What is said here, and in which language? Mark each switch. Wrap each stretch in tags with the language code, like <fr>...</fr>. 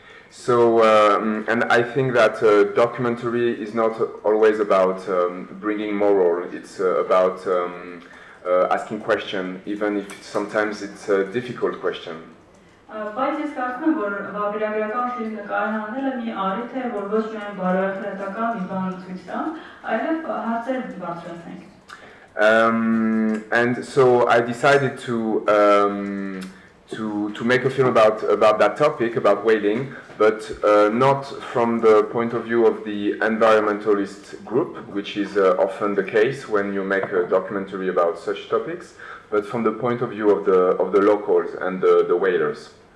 <en>So, and I think that documentary is not always about bringing moral, it's about asking questions, even if sometimes it's a difficult question.</en> <hy>Բայց ես կարծում եմ, որ վավերագրական ֆիլմ նկարահանելը մի առիթ է, որ ոչ միայն բարոյական մի բան ցույց տա, այլև հարցեր բարձրացնենք։</hy> <en>And so I decided to make a film about that topic, about whaling, but not from the point of view of the environmentalist group, which is often the case when you make a documentary about such topics, but from the point of view of the locals and the whalers.</en>